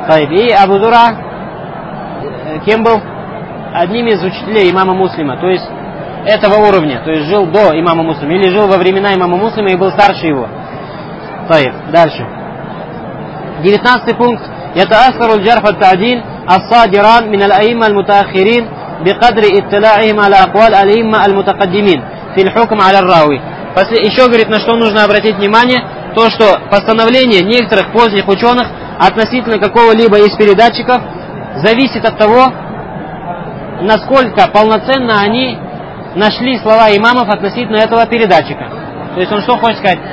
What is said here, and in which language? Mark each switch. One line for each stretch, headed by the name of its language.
Russian: И Абу-Зура, кем был? Одним из учителей имама Муслима, то есть этого уровня, то есть жил до имама Муслима, или жил во времена имама Муслима и был старше его. Таиб, дальше. 19 пункт.
Arabic: يتأثر الجرح والتعديل الصادران من الأئمة المتأخرين بقدر اطلاعهم على أقوال الأئمة المتقدمين في الحكم على الراوي.
Russian: После еще говорит, на что нужно обратить внимание, то что постановление некоторых поздних ученых относительно какого-либо из передатчиков зависит от того, насколько полноценно они нашли слова имамов относительно этого передатчика. То есть он что хочет сказать?